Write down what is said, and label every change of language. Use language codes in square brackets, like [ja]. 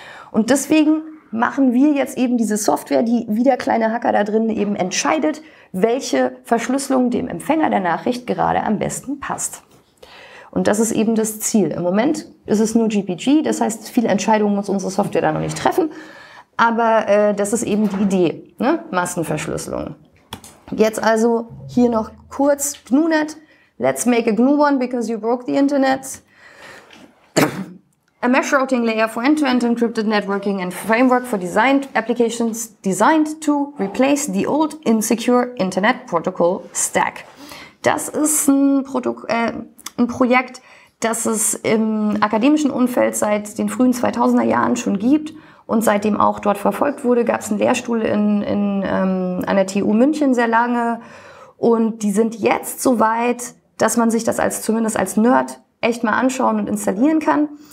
[de] Und deswegen machen wir jetzt eben diese Software, die wie der kleine Hacker da drin eben entscheidet, welche Verschlüsselung dem Empfänger der Nachricht gerade am besten passt. Und das ist eben das Ziel. Im Moment ist es nur GPG, das heißt, viele Entscheidungen muss unsere Software da noch nicht treffen. Aber das ist eben die Idee, ne? Massenverschlüsselung. Jetzt also hier noch kurz GNUnet. [en] Let's make a GNU one, because you broke the Internet. A mesh routing layer for end-to-end encrypted networking and framework for designed applications designed to replace the old insecure Internet Protocol Stack. [de] Das ist ein Projekt, das es im akademischen Umfeld seit den frühen 2000er Jahren schon gibt und seitdem auch dort verfolgt wurde. Gab es einen Lehrstuhl an der TU München sehr lange und die sind jetzt so weit, dass man sich das als zumindest als Nerd echt mal anschauen und installieren kann.